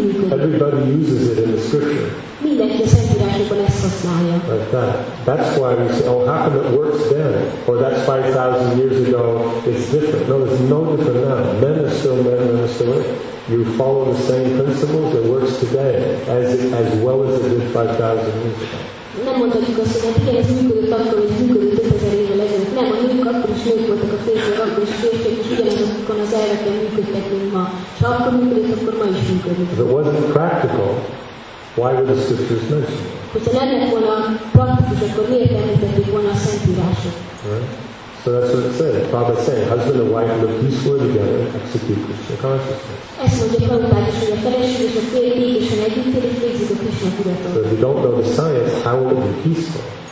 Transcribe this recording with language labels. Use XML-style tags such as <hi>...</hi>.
<en>Everybody uses it in the scripture. Like that. That's why we say, oh, how come it works then? Or that's 5,000 years ago, it's different. No, there's no different now. Men are still men, women are still women. you follow the same principles that works today as well as it did 5,000 years ago.</en> <hu>Nem mondhatjuk azt, hogy hát igen, ez működött akkor, hogy működött 5000 évvel ezelőtt. Nem, a nők akkor is nők voltak, a férfiak akkor is férfiak, és ugyanazokon az elveken működtek, mint ma. És ha akkor működött, akkor ma is működött.</hu> <en>If it wasn't practical, why were the scriptures mentioned?</en> <hu>Hogyha nem lett volna praktikus, akkor miért említették volna a szentírások?</hu> <en>So that's what it said. Prabhupada said, husband and wife live peacefully together, execute Krishna consciousness. So if you don't know the science, how will it be peaceful?</en>